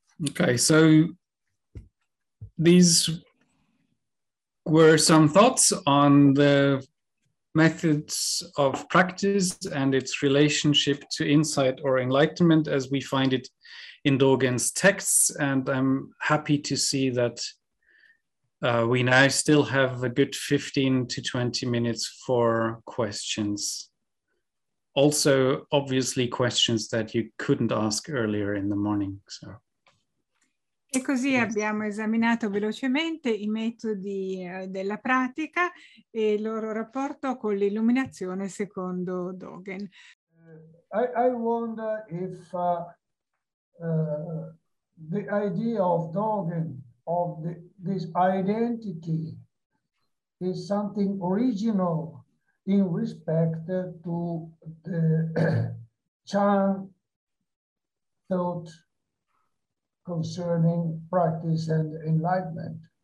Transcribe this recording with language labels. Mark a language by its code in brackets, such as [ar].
[en] Okay, so these were some thoughts on the methods of practice and its relationship to insight or enlightenment as we find it in Dogen's texts. And I'm happy to see that we now still have a good 15 to 20 minutes for questions. Also, obviously, questions that you couldn't ask earlier in the morning. So. [it] E così abbiamo esaminato velocemente i metodi della pratica e il loro rapporto con l'illuminazione secondo Dogen. [en] I wonder if the idea of Dogen, of this identity, is something original in respect to the Chan thought concerning practice and enlightenment.